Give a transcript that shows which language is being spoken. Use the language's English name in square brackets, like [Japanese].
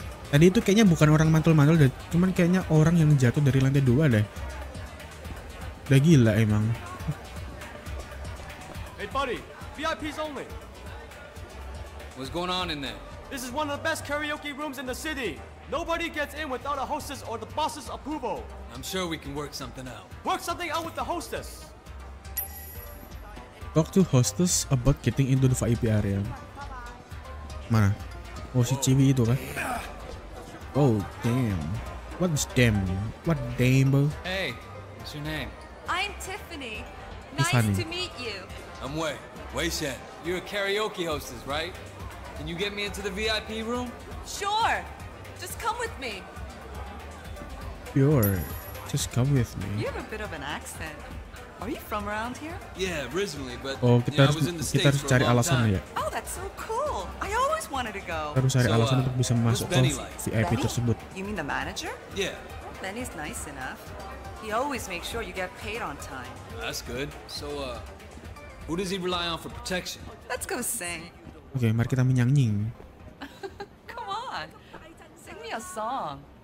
[Indonesian] Tadi itu kayaknya bukan orang mantul-mantul deh, cuman kayaknya orang yang jatuh dari lantai 2 deh. Udah gila emang. [English] Hey buddy, VIP's only. What's going on in there? This is one of the best karaoke rooms in the city. Nobody gets in without a hostess or the boss's approval. I'm sure we can work something out. Work something out with the hostess. Talk to hostess about getting into the VIP area. [Indonesian] Mana? Oh, si Chibi itu kan? [English] Oh, damn. What's damn? What damn, bro? Hey, what's your name? I'm Tiffany. Nice to meet you. I'm Wei. Wei Shen. You're a karaoke hostess, right? Can you get me into the VIP room? Sure. Just come with me. Sure. Just come with me. You have a bit of an accent. Are you from around here? Yeah, originally, but oh, [Indonesian] kita harus, [English] yeah, I was in the States for a long time. Ya. Oh, that's so cool. I always wanted to go. [Indonesian] Harus cari alasan untuk bisa masuk ke VIP tersebut. [English] You mean the manager? Yeah. Well, Benny's nice enough. He always makes sure you get paid on time. That's good. So, who does he rely on for protection? Let's go sing. [Indonesian] Okay, mari kita menyanyi. [English] Come on. Sing me a song.